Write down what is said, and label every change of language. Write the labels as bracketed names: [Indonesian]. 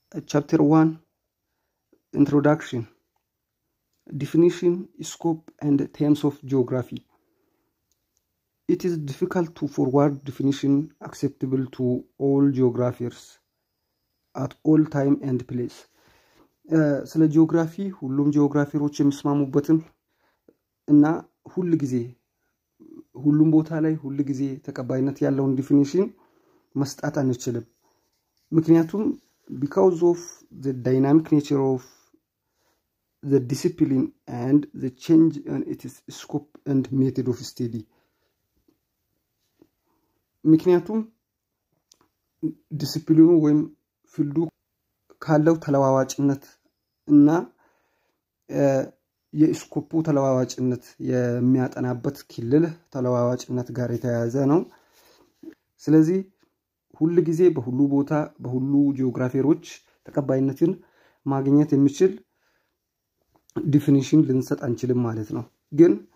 [Amharic] ቻፕተር 1 ኢንትሮዳክሽን ዲፊኒሽን ስኮፕ ኤንድ ቴምስ ኦፍ ጂኦግራፊ [English] It is difficult to forward definition acceptable to all geographers at all time and place. [Amharic] ስለ ጂኦግራፊ ሁሉም ጂኦግራፈሮች የሚስማሙበት እና ሁሉ ጊዜ ሁሉም ቦታ ላይ ሁሉ ጊዜ ተቀባይነት ያለውን definition መስጠት አንችልም. ምክንያቱም [English] because of the dynamic nature of the discipline and the change in its scope and method of study. [Amharic] ምክንያቱም ዲሲፕሊኑ ወይም ፊልዱ ካለው ተለዋዋጭነት እና የስኮፑ ተለዋዋጭነት የሚያጠናበት ክልል ተለዋዋጭነት ጋር የተያያዘ ነው ስለዚህ ሁሉ ጊዜ በሁሉ ቦታ በሁሉ ጂኦግራፈሮች ተቀባይነትን ማግኘት የሚችል ዲፊኒሽን ልንሰጥ አንችልም ማለት ነው ግን